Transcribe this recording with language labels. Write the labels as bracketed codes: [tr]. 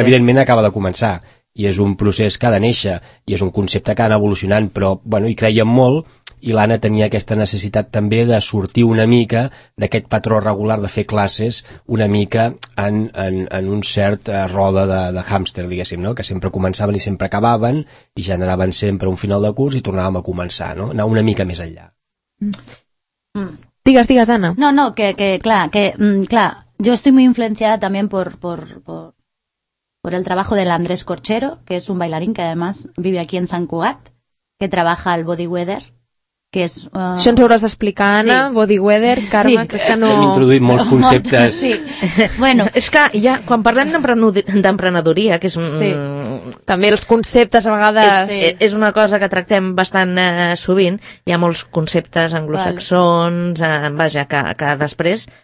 [ca] Evidentment acaba de començar i és un procés que ha de néixer i és un concepte que ha d'anar evolucionant, però bueno, hi creiem molt i l'Anna tenia aquesta necessitat també de sortir una mica d'aquest patró regular de fer classes una mica en un cert roda de hàmster, diguéssim, no? Que sempre començaven i sempre acabaven i generaven sempre un final de curs i tornàvem a començar, no? Anar una mica més enllà. Digues, Anna. [es] No, clar, yo estoy muy influenciada también por el trabajo del Andrés Corchero, que es un bailarín que además vive aquí en Sant Cugat, que trabaja al Body Weather, que es... [ca] Això ens hauràs d'explicar, Anna, sí. Body Weather, sí. Carme, sí. Crec que no... Hem introduït molts conceptes. Sí, bueno... És que ja, quan parlem d'emprenedoria, que és un... Sí. També els conceptes a vegades... És una cosa que tractem bastant sovint, hi ha molts conceptes anglosaxons, que després...